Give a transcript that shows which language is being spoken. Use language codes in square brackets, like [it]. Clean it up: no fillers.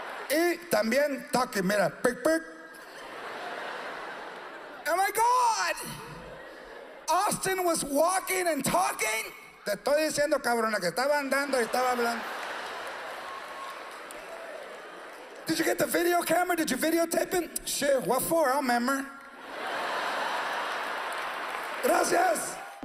[es] Y también talking, mira, pick, pick. [en] Oh my God! Austin was walking and talking? [es] Te estoy diciendo, cabrona, que estaba andando y estaba hablando. [en] Did you get the video camera? Did you videotape it? Shit, what for? I don't remember. Gracias.